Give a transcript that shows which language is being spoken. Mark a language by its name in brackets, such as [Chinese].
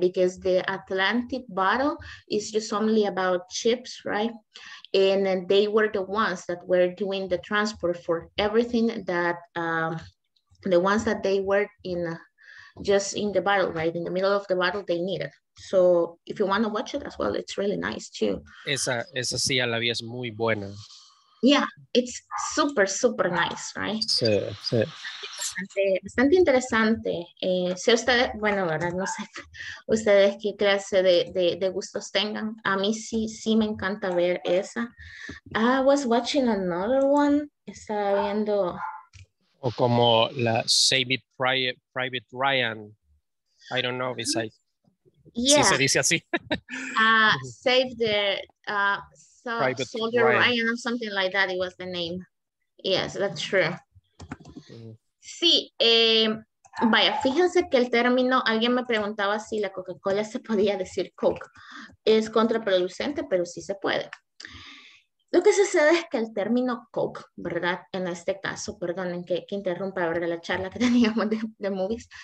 [English] Because the Atlantic battle is just only about ships, right? And they were the ones that were doing the transport for everything that, the ones that they were in, just in the battle, right? In the middle of the battle, they need it. So if you want to watch it as well, it's really nice too. [Spanish] Esa sí, a la vía es muy buena. [English] Yeah, it's super, super nice, right? [Spanish] Sí, sí. Bastante interesante. Si ustedes, bueno, verdad, no sé, ustedes qué clase de gustos tengan. A mí sí me encanta ver esa. [English] I was watching another one. [Spanish] Estaba viendo... O como la [English] Save It Private Ryan. I don't know if it's like, yeah. [Spanish] Si se dice así. [English] Save the Soldier Ryan or something like that. It was the name. Yes, that's true. [Spanish] Sí, vaya, fíjense que el término, alguien me preguntaba si la Coca-Cola se podía decir Coke. Es contraproducente, pero sí se puede. Lo que sucede es que el término Coke, ¿verdad? En este caso, perdonen que interrumpa, ¿verdad? La charla que teníamos de movies.